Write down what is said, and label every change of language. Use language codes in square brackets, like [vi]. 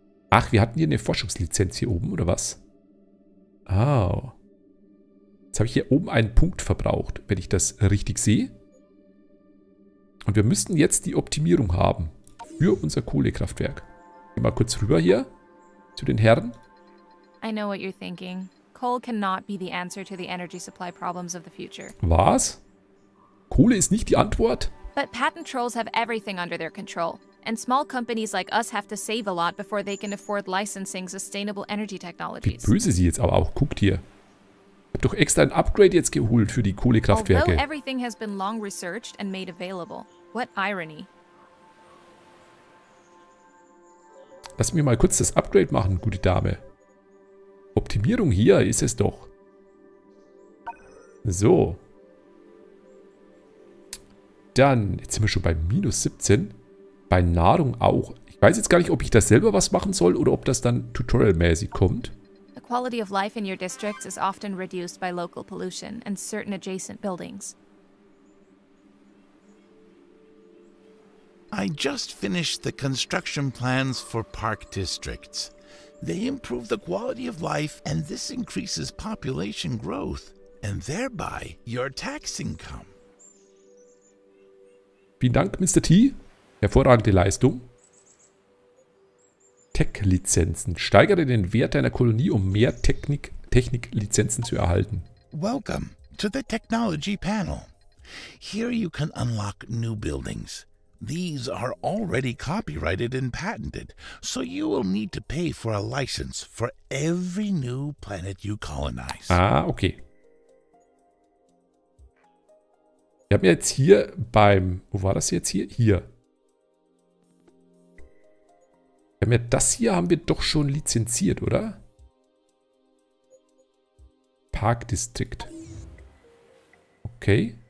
[de] Ach, wir hatten hier eine Forschungslizenz hier oben, oder was? Oh. Jetzt habe ich hier oben einen Punkt verbraucht, wenn ich das richtig sehe. Und wir müssten jetzt die Optimierung haben für unser Kohlekraftwerk. Geh mal kurz rüber hier zu den Herren. [en] I know what you're thinking. Coal cannot be the answer to the energy supply problems of the future. [de] Was? Kohle ist nicht die Antwort? [en] But patent trolls have everything under their control. And small companies like us have to save a lot before they can afford licensing sustainable energy technologies. [de] Wie böse sie jetzt aber auch, guckt hier. Ich habe doch extra ein Upgrade jetzt geholt für die Kohlekraftwerke. [en] Although everything has been long researched and made available. What irony. [de] Lass mir mal kurz das Upgrade machen, gute Dame. Optimierung hier ist es doch. So. Dann, jetzt sind wir schon bei minus 17. Bei Nahrung auch. Ich weiß jetzt gar nicht, ob ich das selber was machen soll oder ob das dann tutorialmäßig kommt. [en] The quality of life in your districts is often reduced by local pollution and certain adjacent buildings. I just finished the construction plans for park districts. They improve the quality of life and this increases population growth and thereby your tax income. [de] Vielen Dank, Mr. T. Hervorragende Leistung. Tech-Lizenzen. Steigere den Wert deiner Kolonie, um mehr Technik-Lizenzen zu erhalten. [en] Welcome to the technology panel. Here you can unlock new buildings. These are already copyrighted and patented, so you will need to pay for a license for every new planet you colonize. Ah, okay. [de] Ich habe mir jetzt hier beim... Wo war das jetzt hier? Hier. Ich habe mir das hier haben wir doch schon lizenziert, oder? [en] Park District. Okay.